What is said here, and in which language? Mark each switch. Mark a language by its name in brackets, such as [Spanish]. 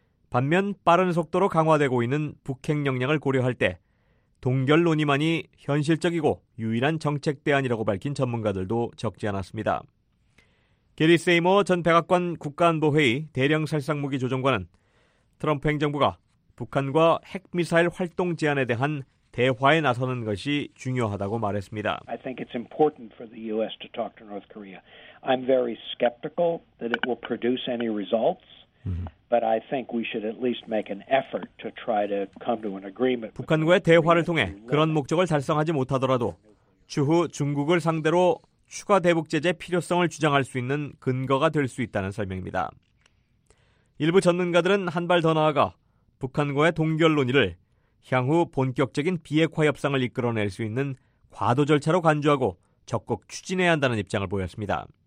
[Korean] 반면 빠른 속도로 강화되고 있는 북핵 역량을 고려할 때 동결 논의만이 현실적이고 유일한 정책 대안이라고 밝힌 전문가들도 적지 않았습니다. 게리 세이머 전 백악관 국가안보회의 대량살상무기 조정관은 트럼프 행정부가 북한과 핵미사일 활동 제한에 대한 대화에 나서는 것이 중요하다고 말했습니다. [English] I think it's important for the U.S. to talk to North Korea. I'm very skeptical that it will produce any results. But I think we should at least make an effort to try to come to an agreement. [Korean] 북한과의 대화를 통해 그런 목적을 달성하지 못하더라도 추후 중국을 상대로 추가 대북 제재 필요성을 주장할 수 있는 근거가 될 수 있다는 설명입니다. 일부 전문가들은 한 발 더 나아가 북한과의 동결 논의를 향후 본격적인 비핵화 협상을 이끌어낼 수 있는 과도 절차로 간주하고 적극 추진해야 한다는 입장을 보였습니다.